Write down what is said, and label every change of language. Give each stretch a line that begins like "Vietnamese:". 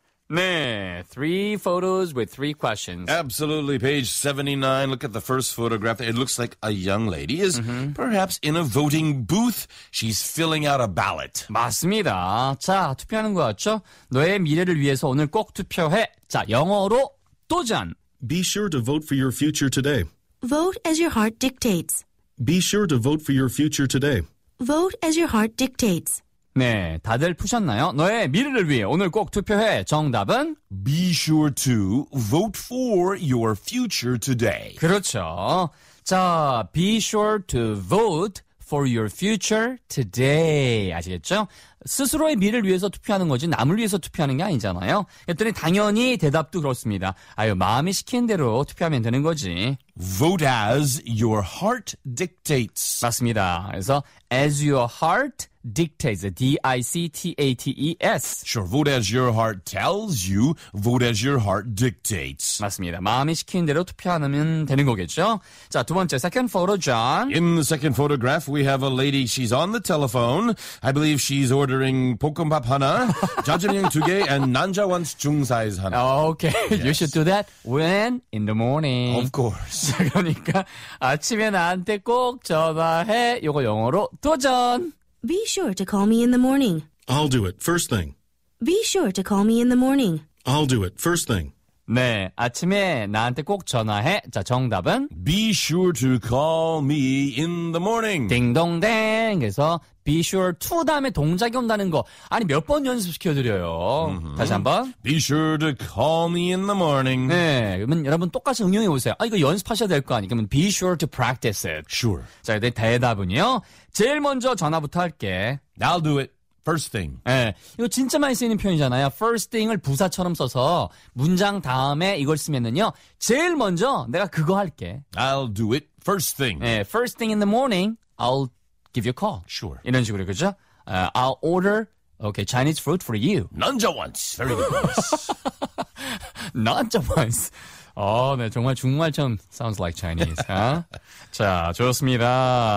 English: 네, three photos with three questions. Absolutely. Page 79, look at the first photograph. It looks like a young lady is mm-hmm. perhaps in a voting booth. She's filling out a ballot.
Korean: 맞습니다. 자, 투표하는 것 같죠? 너의 미래를 위해서 오늘 꼭 투표해. 자, 영어로 도전!
English: Be sure to vote for your future today. Vote as your heart dictates. Be sure to vote for your future today. Vote as your heart dictates.
Korean: 네, 다들 푸셨나요? 너의 미래를 위해 오늘 꼭 투표해. 정답은
English: Be sure to vote for your future today.
Korean: 그렇죠.
English: 자, be sure to vote for your future today.
Korean: 아시겠죠? 스스로의 미래를 위해서 투표하는 거지 남을 위해서 투표하는 게 아니잖아요. 그랬더니 당연히 대답도 그렇습니다. 아유, 마음이 시키는 대로 투표하면 되는 거지.
English: Vote as your heart dictates.
Korean: 맞습니다. 그래서 as your heart dictates, D-I-C-T-A-T-E-S.
English: Sure, vote as your heart tells you, vote as your heart dictates.
Korean: 맞습니다. 마음이 시키는 대로 투표하면 되는 거겠죠? 자, 두 번째,
English: second photo,
Korean: John.
English: In the second photograph, we have a lady, she's on the telephone. I believe she's ordering
Korean: 볶음밥 하나, 짜장면 두 개,
English: and 난자 wants
Korean: 중사이즈 하나.
English: Okay, yes. You should do that when? In the morning. Of course.
Korean: 그러니까 아침에 나한테 꼭 전화해. 요거 영어로 도전!
English: Be sure to call me in the morning. I'll do it first thing. Be sure to call me in the morning. I'll do it first thing.
Korean: 네, 아침에 나한테 꼭 전화해. 자, 정답은
English: Be sure to call me in the morning.
Korean: 딩동댕. 그래서 Be sure to 다음에 동작이 온다는 거. 아니, 몇 번 연습시켜드려요. Mm-hmm. 다시 한번 Be sure to call me in the morning. 네, 그러면 여러분 똑같이 응용해 보세요. 아, 이거 연습하셔야 될 거 아니에요.
English: 그러면 Be sure to practice it. Sure.
Korean: 자, 이제 대답은요. 제일 먼저 전화부터 할게.
English: I'll do it. First thing.
Korean: 네, 이거 진짜 많이 쓰이는 표현이잖아요. First thing을 부사처럼 써서 문장 다음에 이걸 쓰면은요. 제일 먼저 내가 그거 할게.
English: I'll do it first thing. 네, first thing in the morning, I'll give you a call. Sure.
Korean: 이런 식으로, 그죠?
English: I'll order okay, Chinese food for you. 난자 wants. Very good. 난자 wants.
Korean: 어, 네, 정말 중국말처럼
English: sounds like Chinese.
Korean: 아? 자, 좋습니다.